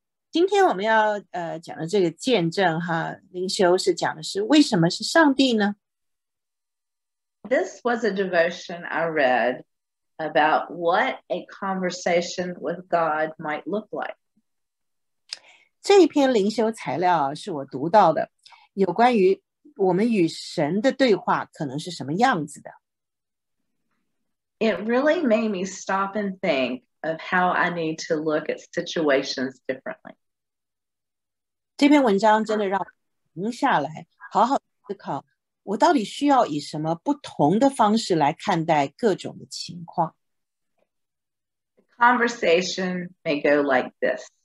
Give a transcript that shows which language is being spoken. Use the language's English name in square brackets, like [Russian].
[Chinese] 今天我们要讲的这个见证哈，灵修是讲的是为什么是上帝呢？ [English] This was a devotion I read about what a conversation with God might look like. [Chinese] 这一篇灵修材料是我读到的，有关于我们与神的对话可能是什么样子的。 [English] It really made me stop and think of how I need to look at situations differently. [Chinese] 这篇文章真的让我停下来，好好思考，我到底需要以什么不同的方式来看待各种的情况。 [English] The conversation may go like this.